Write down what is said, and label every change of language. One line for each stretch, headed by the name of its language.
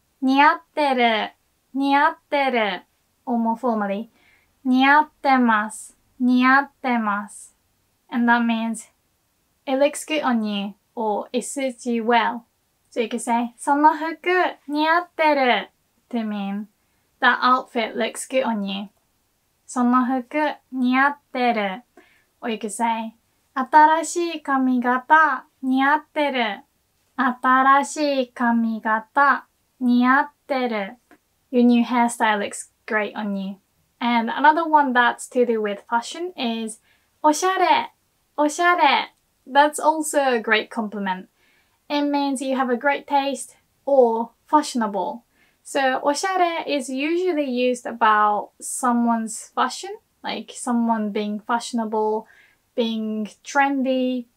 Japanese: 似合ってる、似合ってる、
English: or more formally,
Japanese: 似合ってます、似合ってます。
English: And that means, it looks good on you, or it suits you well. So you can say,
Japanese: その服似合ってる、
English: to mean, that outfit looks good on you.
Japanese: その服似合ってる。
English: Or you can say,
Japanese: 新しい髪型似合ってる。新しい髪型似合ってる。
English: Your new hairstyle looks great on you. And another one that's to do with fashion is
Japanese: おしゃれ、おしゃれ。
English: That's also a great compliment. It means you have a great taste or fashionable. So おしゃれ is usually used about someone's fashion, like someone being fashionable, being trendy.